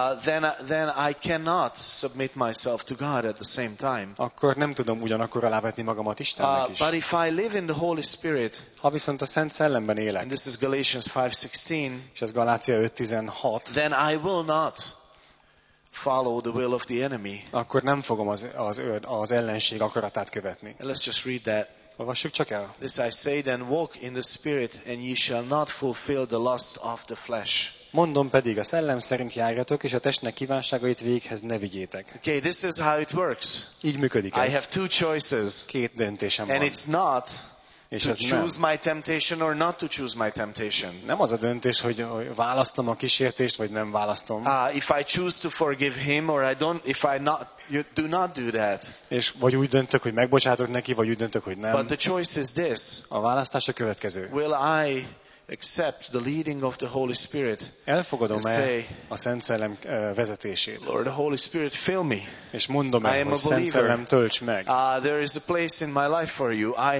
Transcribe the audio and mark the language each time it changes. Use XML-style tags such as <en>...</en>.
<en>then I cannot submit myself to God at the same time.</en> <hu>Akkor nem tudom ugyanakkor alávetni magamat Istennek is.</hu> <en>But if I live in the Holy Spirit,</en> <hu>ha viszont a Szent Szellemben élek,</hu> <en>and this is Galatians 5:16,</en> <hu>és ez Galácia 5:16,</hu> <en>then I will not follow the will of the enemy.</en> <hu>Akkor nem fogom az ellenség akaratát követni.</hu> <en>Let's just read that.</en> <hu>Olvassuk csak el.</hu> <en>This I say then, walk in the spirit, and ye shall not fulfill the lust of the flesh.</en> <hu>Mondom pedig, a szellem szerint járjatok, és a testnek kívánságait véghez ne vigyétek.</hu> <en>Okay, this is how it works.</en> <hu>Így működik ez.</hu> <en>I have two choices.</en> <hu>Két döntésem van.</hu> <en>And it's not to choose my temptation or not to choose my temptation.</en> <hu>Nem az a döntés, hogy választom a kísértést vagy nem választom.</hu> <en>If I choose to forgive him or I don't, if I not, you do not do that.</en> <hu>És vagy úgy döntök, hogy megbocsátok neki, vagy úgy döntök, hogy nem.</hu> <en>But the choice is this.</en> <hu>A választás a következő.</hu> <en>Will I accept the leading of the Holy Spirit?</en> <hu>Elfogadom-e a Szent Szellem vezetését?</hu> <en>Lord, the Holy Spirit, fill me.</en> <hu>És mondom, hogy a Szent Szellem tölts meg.</hu> <en>There is a place in my life for you.</en>